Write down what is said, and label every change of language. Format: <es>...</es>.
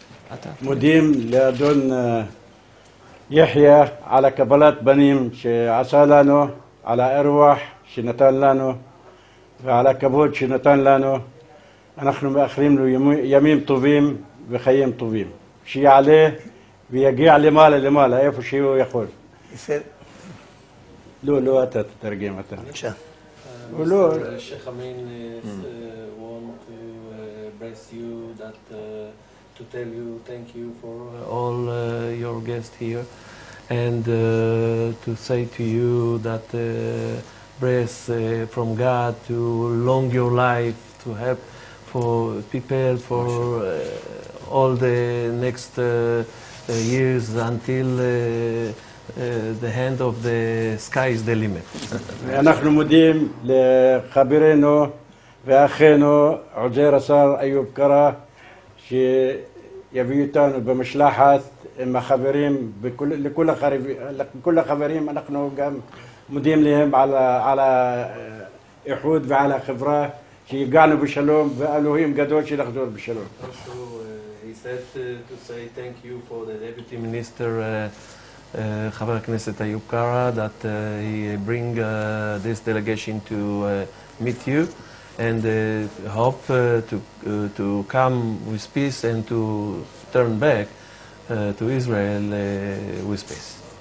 <he>אנחנו מודים לאדון יחיא על קבלת בנים שעשה לנו, על האירוח שנתן לנו ועל הכבוד שנתן לנו. אנחנו מאחלים לו ימים טובים וחיים טובים, שיעלה ויגיע למעלה למעלה איפה שהוא יכול. לא אתה תתרגם אתה. בבקשה. Mr.</he> <en>Sheikh Amin want to bless you, that to tell you thank you for all your guests here, and to say to you that bless from God to long your life, to help for people for all the next years until the hand of the sky is the limit.</en> <he>אנחנו מודים לחברנו ואחינו עוזר השר איוב קרא שיביא אותנו במשלחת עם החברים, לכל החברים אנחנו גם מודים להם על האיחוד ועל החברה שהגענו בשלום, ואלוהים גדול שנחזור בשלום.</he> <en>Also, he said to say thank you for the deputy minister,</en> <he>חבר הכנסת</he> <en>איוב קרא, that he bring this delegation to meet you, and hope to come with peace and to turn back to Israel with peace.</en>